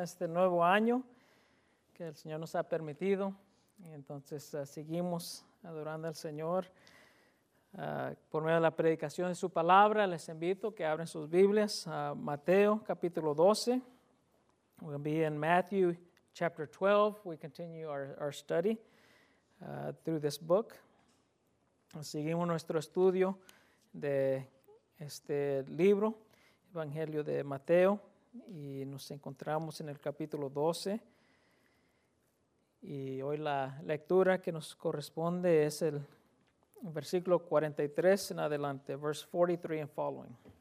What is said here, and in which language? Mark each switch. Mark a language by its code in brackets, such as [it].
[es] Este nuevo año que el Señor nos ha permitido. Y entonces seguimos adorando al Señor por medio de la predicación de su palabra. Les invito que abren sus Biblias a Mateo capítulo 12. [en] We're going to be in Matthew chapter 12. We continue our study through this book. [es] Seguimos nuestro estudio de este libro, Evangelio de Mateo, y nos encontramos en el capítulo 12. Y hoy la lectura que nos corresponde es el versículo 43 en adelante, [en] verse 43 and following.